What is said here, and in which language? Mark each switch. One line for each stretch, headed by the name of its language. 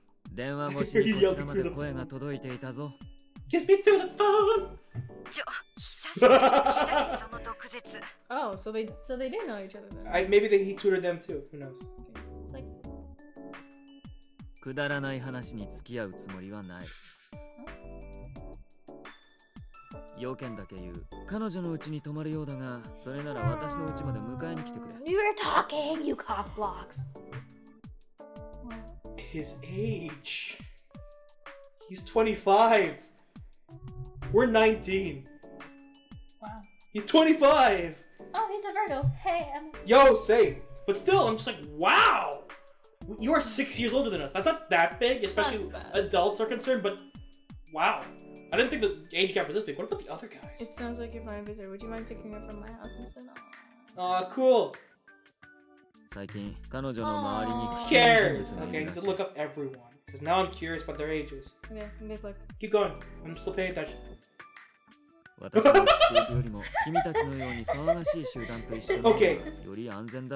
Japanese: 電話越しにこちらまで声が届いていたぞ。
English: Kiss me through the phone!
Japanese: ちょ、久しぶりに聞いたし、その毒舌。
English: Oh, so they didn't know each other then. Maybe he tutored them too, who knows.
Japanese: くだらない話に付き合うつもりはない。要件だけ言う。彼女の家に泊まるようだが、それなら私の家まで迎えに来てくれ。
English: You were talking, you cock blocks! His age. He's 25. We're 19. Wow. He's 25. Oh, he's a Virgo. Hey, I'm. Yo, same. But still, I'm just like, wow. You are 6 years older than us. That's not that big, especially adults are concerned, but wow. I didn't think the age gap was this big. What about the other guys? It sounds like you're fine, visitor. Would you mind picking up from my house instead? Aw, cool.
Japanese: 最近彼女の周りに危険人物がいるらしい。
English: Okay, need to look up everyone. Cause now I'm curious about their ages. Yeah, keep going. I'm still paying attention.
Japanese: 私よりも君たちのように騒がしい集団と一緒により安全だ。